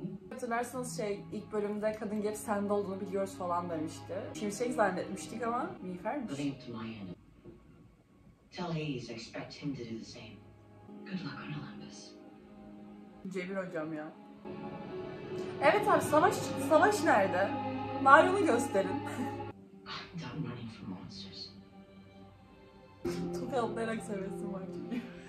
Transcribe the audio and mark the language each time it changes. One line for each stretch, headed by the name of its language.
Turkish: Hatırlarsanız şey, ilk bölümde kadın gelip sende olduğunu biliyoruz falan demişti. Şimşek zannetmiştik ama Mifer'miş.
English: Tell Hades, expect him to do the same. Good luck on Olympus.
Turkish: Cemil hocam ya. Evet abi, savaş çıktı. Savaş nerede? Mario'nu gösterin.
English: Done running from monsters.
Turkish: Çok yalıtlayarak sevesin var gibi.